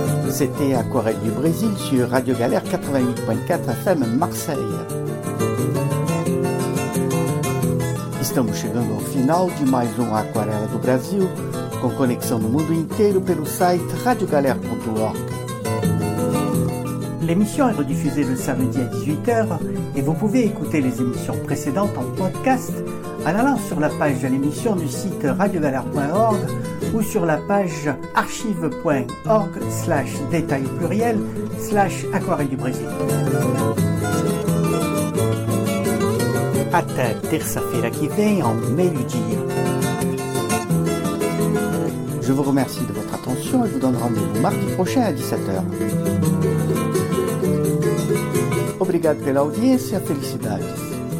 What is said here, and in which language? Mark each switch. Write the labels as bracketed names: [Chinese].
[French] c'était Aquarelle du Brésil sur Radio Galère 88.4 FM Marseille. [Portuguese] Estamos chegando ao final de mais Aquarela do Brasil, com conexão no mundo inteiro pelo site radiogalère.org. [French] L'émission est rediffusée le samedi à 18h et vous pouvez écouter les émissions précédentes en podcast en allant sur la page de l'émission du site radiogalère.org ou sur la page archive.org/détail/aquarelle du Brésil. [Portuguese] Até terça-feira que vem, ao meio-dia. [French] Je vous remercie de votre attention et vous donne rendez-vous mardi prochain à 17h. [Portuguese] Obrigado pela audiência, felicidades.